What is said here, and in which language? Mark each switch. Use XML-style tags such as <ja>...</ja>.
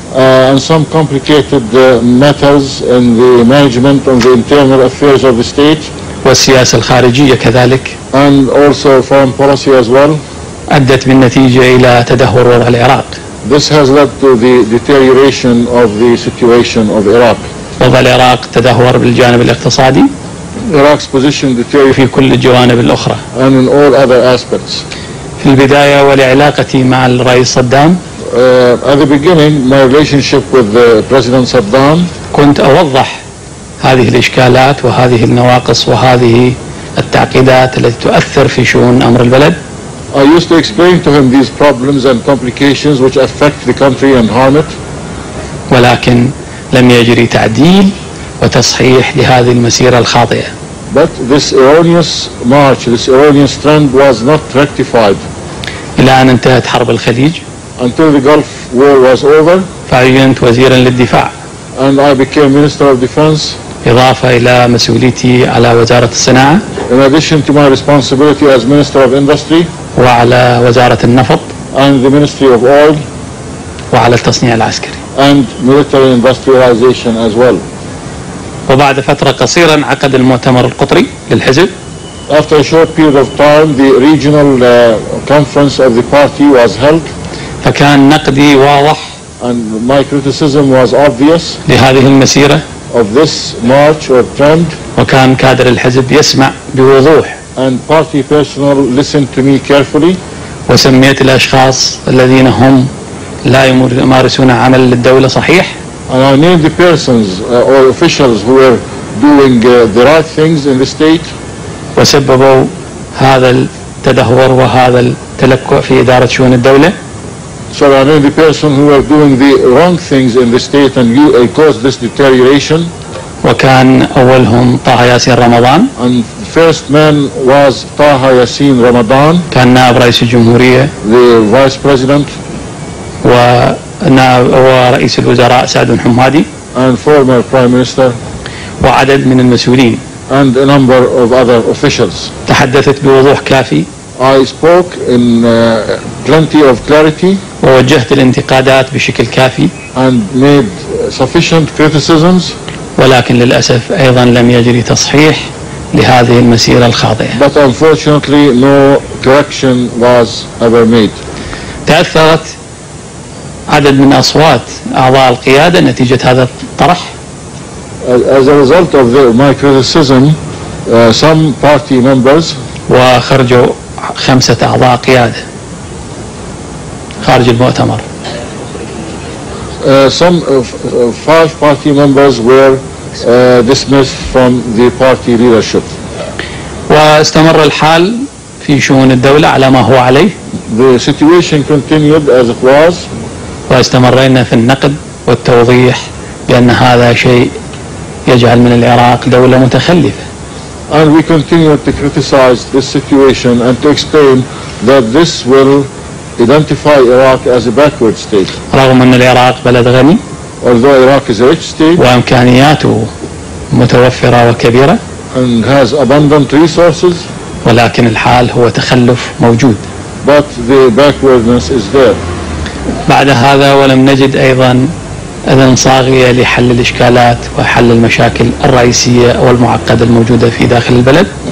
<en>And some complicated matters in the management of the internal affairs of the state.</en> <ar>والسياسة الخارجية كذلك.</ar> <en>And also foreign policy as well.</en> <ar>أدت بالنتيجة إلى تدهور وضع العراق.</ar> <en>This has led to the deterioration of the situation of Iraq.</en> <ar>وضع العراق تدهور بالجانب الاقتصادي.</ar> <en>Iraq's position deteriorated</en> <ar>في كل الجوانب الأخرى.</ar> <en>And in all other aspects.</en> <ar>في البداية ولعلاقتي مع الرئيس صدام.</ar> <en>At the beginning, my relationship with the President Saddam.</en> <ar>كنت أوضح هذه الإشكالات وهذه النواقص وهذه التعقيدات التي تؤثر في شؤون أمر البلد.</ar> <en>I used to explain to him these problems and complications which affect the country and harm it.</en> <ar>ولكن لم يجري تعديل وتصحيح لهذه المسيرة الخاطئة.</ar> <en>But this erroneous march, this erroneous trend was not rectified.</en> <ar>إلى أن انتهت حرب الخليج.</ar> <en>Until the Gulf War was over.</en> <ar>فعينت وزيرا للدفاع.</ar> <en>And I became Minister of Defense.</en> <ar>إضافة إلى مسؤوليتي على وزارة الصناعة.</ar> <en>In addition to my responsibility as Minister of Industry.</en> <ar>وعلى وزارة النفط.</ar> <en>And the Ministry of Oil.</en> <ar>وعلى التصنيع العسكري.</ar> <en>And military industrialization as well.</en> <ar>وبعد فترة قصيرة عقد المؤتمر القطري للحزب.</ar> <en>After a short period of time, the regional conference of the party was held.</en> <ar>فكان نقدي واضح.</ar> <en>And my criticism was obvious.</en> <ar>لهذه المسيرة.</ar> <en>Of this march or trend.</en> <ar>وكان كادر الحزب يسمع بوضوح.</ar> <en>And party personnel listened to me carefully.</en> <ar>وسميت الأشخاص الذين هم لا يمارسون عمل للدولة صحيح.</ar> <en>And I named the persons or officials who were doing the right things in the state.</en> <ar>وسببوا هذا التدهور وهذا التلكع في إدارة شؤون الدولة.</ar> <en>So I named the person who were doing the wrong things in the state and caused this deterioration.</en> <ar>وكان أولهم طه ياسين رمضان.</ar> <en>And first man was طه ياسين رمضان.</en> <ar>كان نائب رئيس الجمهورية.</ar> <en>The vice president.</en> <ar>ورئيس الوزراء سعد الحمادي.</ar> <en>And former prime minister.</en> <ar>وعدد من المسؤولين.</ar> <en>And a number of other officials.</en> <ar>تحدثت بوضوح كافي.</ar> <en>I spoke in plenty of clarity.</en> <ar>ووجهت الانتقادات بشكل كافي.</ar> <en>And made sufficient criticisms.</en> <ar>ولكن للأسف أيضا لم يجري تصحيح لهذه المسيرة الخاطئة.</ar> <en>But unfortunately no correction was ever made.</en> <ar>تأثرت عدد من أصوات أعضاء القيادة نتيجة هذا الطرح.</ar> <en>As a result of my criticism, some party members.</en> <ar>وخرجوا 5 أعضاء قيادة خارج المؤتمر.</ar> <en>Some 5 party members were dismissed from the party leadership.</en> <ar>واستمر الحال في شؤون الدولة على ما هو عليه.</ar> <en>The situation continued as it was.</en> <ar>واستمرينا في النقد والتوضيح بأن هذا شيء يجعل من العراق دولة متخلفة.</ar> <en>And we continued to criticize this situation and to explain that this will identify Iraq as a backward state.</en> <ar>رغم أن العراق بلد غني.</ar> <en>Although Iraq is a rich state.</en> <ar>وإمكانياته متوفرة وكبيرة.</ar> <en>And has abundant resources.</en> <ar>ولكن الحال هو تخلف موجود.</ar> <en>But the backwardness is there.</en> <ar>بعد هذا ولم نجد أيضا أذن صاغية لحل الإشكالات وحل المشاكل الرئيسية والمعقدة الموجودة في داخل البلد.</ar>